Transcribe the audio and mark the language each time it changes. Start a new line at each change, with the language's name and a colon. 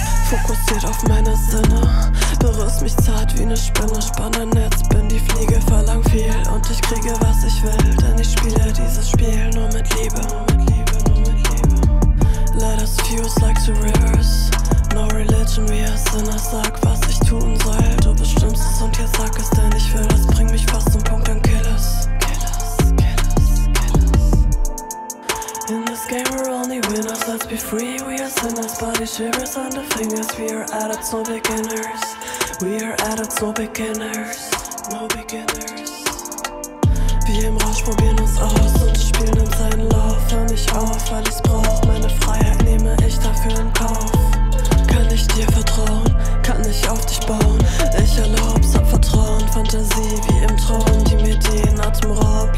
German: Fokussiert auf meine Sinne. Berührst mich zart wie eine Spinne. Spanne Netz, bin die Fliege, verlang viel. Und ich kriege, was ich will. Denn ich spiele dieses Spiel nur mit Liebe. Nur mit Liebe, nur mit Liebe.
English: Let us fuse like two rivers. No religion, we are sinners.
German: Sag, was ich tun soll. Du bestimmst es und jetzt sag es, denn ich will es. Bring mich fast zum Punkt, dann kill es. Kill es, kill es, kill es.
English: In this game we're only winners. Let's be free, we are sinners. Body shivers on the fingers. We are adults, no beginners. We are adults, no beginners. No beginners.
German: Wir im Rausch probieren uns aus und spielen in seinen Lauf. Hör nicht auf, weil ich's brauch. Meine Freiheit nehme ich dafür in Kauf. Kann ich dir vertrauen? Kann ich auf dich bauen? Ich erlaub's, hab Vertrauen. Fantasie wie im Traum, die mir den Atem raubt.